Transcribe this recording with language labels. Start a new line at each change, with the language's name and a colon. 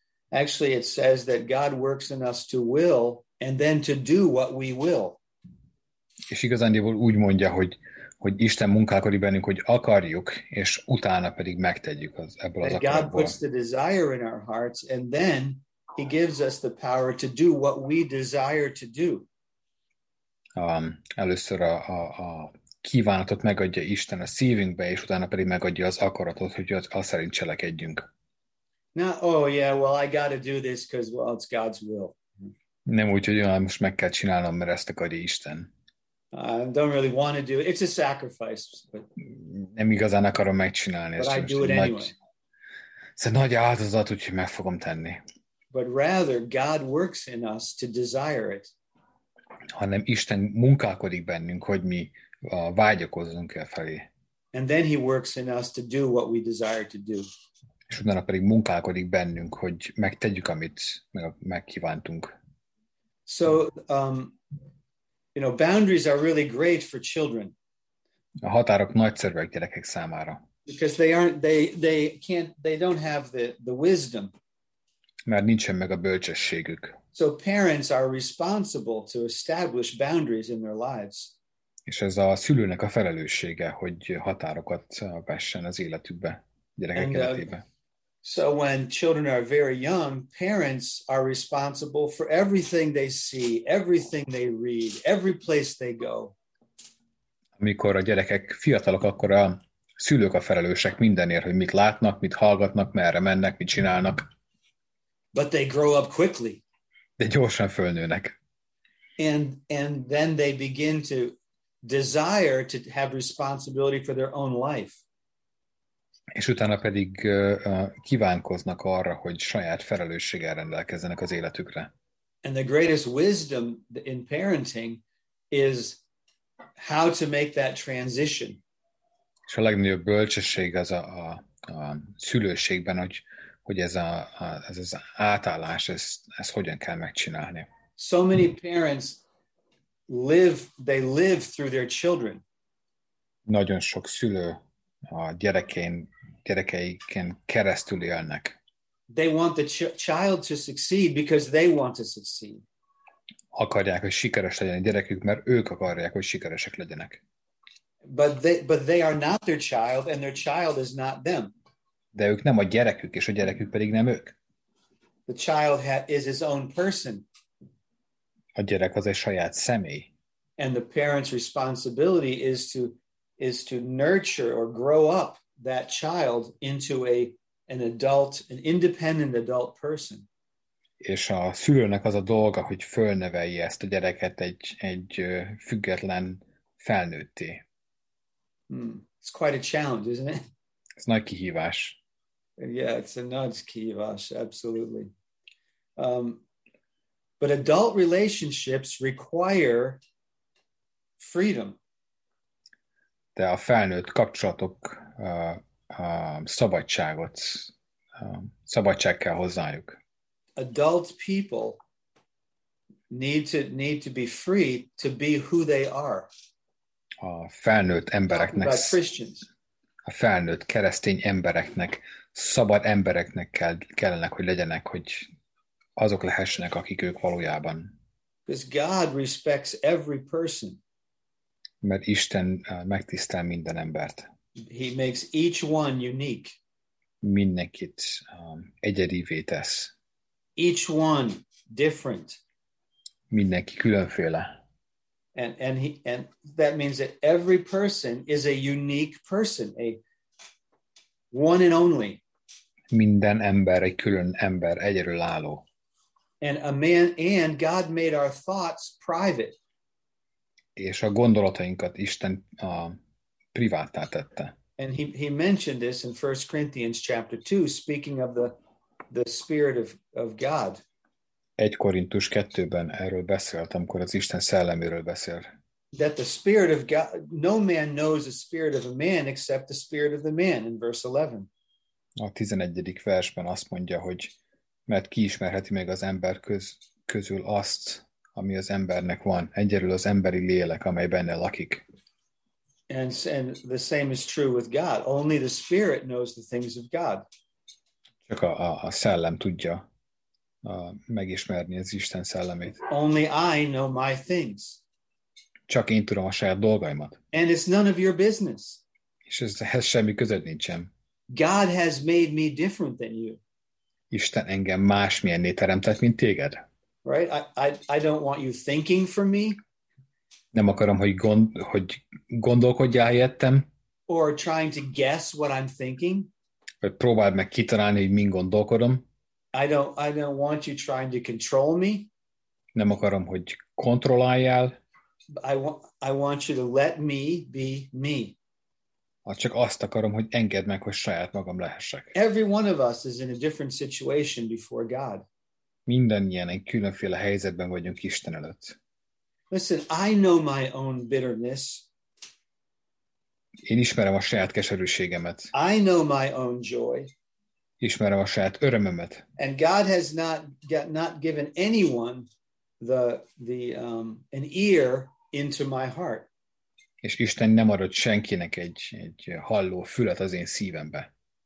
English: Actually, it says that God works in us to will and then to do what we will.
Hungarian: És igazándiból úgy mondja, hogy Isten munkálkodik bennünk, hogy akarjuk, és utána pedig megtegyük ebből az akaratból.
English: God puts the desire in our hearts, and then he gives us the power to do what we desire to do.
Hungarian: Először a kívánatot megadja Isten a szívünkbe, és utána pedig megadja az akaratot, hogy azt szerint cselekedjünk.
English: I gotta do this, because it's God's will.
Hungarian: Nem úgy, hogy most meg kell csinálnom, mert ezt akarja Isten.
English: I don't really want to do it. It's a sacrifice, but I do it anyway. But rather, God works in us to desire it.
Hungarian: Hanem Isten munkálkodik bennünk, hogy mi vágyakozzunk e felé.
English: And then he works in us to do what we desire to do.
Hungarian: És utána pedig munkálkodik bennünk, hogy megtegyük, amit megkívántunk.
English: So, you know, boundaries are really great for children.
Hungarian: A határok nagyszerűek gyerekek számára.
English: Because they don't have the wisdom.
Hungarian: Mert nincsen meg a bölcsességük.
English: So parents are responsible to establish boundaries in their lives.
Hungarian: És ez a szülőnek a felelőssége, hogy határokat vessen az életükbe, gyerekek életébe.
English: So when children are very young, parents are responsible for everything they see, everything they read, every place they go.
Hungarian: Amikor a gyerekek fiatalok, akkor a szülők a felelősek mindenért, hogy mit látnak, mit hallgatnak, merre mennek, mit csinálnak.
English: But they grow up quickly.
Hungarian: De gyorsan fölnőnek.
English: And then they begin to desire to have responsibility for their own life.
Hungarian: És utána pedig kívánkoznak arra, hogy saját felelősséggel rendelkezzenek az életükre.
English: And the greatest wisdom in parenting is how to make that transition.
Hungarian: És a legnagyobb bölcsesség az a szülőségben, hogy ez az átállás, ez hogyan kell megcsinálni.
English: So many parents live through their children.
Hungarian: Nagyon sok szülő a gyerekeiken keresztül élnek.
English: They want the child to succeed because they want to succeed.
Hungarian: Akarják, hogy sikeres legyen a gyerekük, mert ők akarják, hogy sikeresek legyenek.
English: But they are not their child, and their child is not them.
Hungarian: De ők nem a gyerekük, és a gyerekük pedig nem ők.
English: The child is his own person.
Hungarian: A gyerek az egy saját személy.
English: And the parent's responsibility is to nurture or grow up that child into an independent adult person.
Hungarian: És a szülőnek az a dolga, hogy fölnevelje ezt a gyereket egy független felnőtté.
English: It's quite a challenge, isn't it?
Hungarian: Ez nagy kihívás.
English: Yeah, it's a nudge,
Hungarian: kihívás,
English: absolutely. But adult relationships require freedom.
Hungarian: De a felnőtt kapcsolatok szabadság kell hozzájuk.
English: Adult people need to be free to be who they are.
Hungarian: A felnőtt embereknek, a felnőtt keresztény embereknek, szabad embereknek kellenek, hogy legyenek, hogy azok lehessenek, akik ők valójában.
English: Because God respects every person.
Hungarian: Mert Isten megtisztel minden embert.
English: He makes each one unique.
Hungarian: Mindenkit egyedivé tesz.
English: Each one different.
Hungarian: Mindenki különféle.
English: And that means that every person is a unique person, a one and only.
Hungarian: Minden ember egy külön ember, egyedülálló.
English: And God made our thoughts private.
Hungarian: És a gondolatainkat Isten privátá tette.
English: And he mentioned this in 1 Corinthians chapter 2, speaking of the spirit of God.
Hungarian: 1 Korintus 2-ben erről beszélt, amikor az Isten szelleméről beszél.
English: That the spirit of God, no man knows the spirit of a man except the spirit of the man, in verse 11.
Hungarian: A 11. versben azt mondja, hogy mert ki ismerheti meg az ember közül azt, ami az embernek van, egyedül az emberi lélek, amely benne lakik.
English: And the same is true with God. Only the spirit knows the things of God.
Hungarian: Csak a szellem tudja megismerni az Isten szellemét.
English: Only I know my things.
Hungarian: Csak én tudom a saját dolgaimat.
English: And it's none of your business.
Hungarian: És ez semmi között nincsen.
English: God has made me different than you.
Hungarian: Isten engem másmilyenné teremtett, mint téged.
English: Right? I don't want you thinking for me.
Hungarian: Nem akarom, hogy gondolkodjál helyettem.
English: Or trying to guess what I'm thinking.
Hungarian: Vagy próbáld meg kitalálni, hogy mind gondolkodom.
English: I don't want you trying to control me.
Hungarian: Nem akarom, hogy kontrolláljál.
English: I want you to let me be me.
Hungarian: Csak azt akarom, hogy engedd meg, hogy saját magam lehessek.
English: Every one of us is in a different situation before God.
Hungarian: Mindannyian egy különféle helyzetben vagyunk Isten előtt.
English: Listen, I know my own bitterness.
Hungarian: Én ismerem a saját keserűségemet.
English: I know my own joy.
Hungarian: Ismerem a saját örömömet.
English: And God has not given anyone an ear into my heart.
Hungarian: És Isten nem adott senkinek egy halló fület az én szívembe.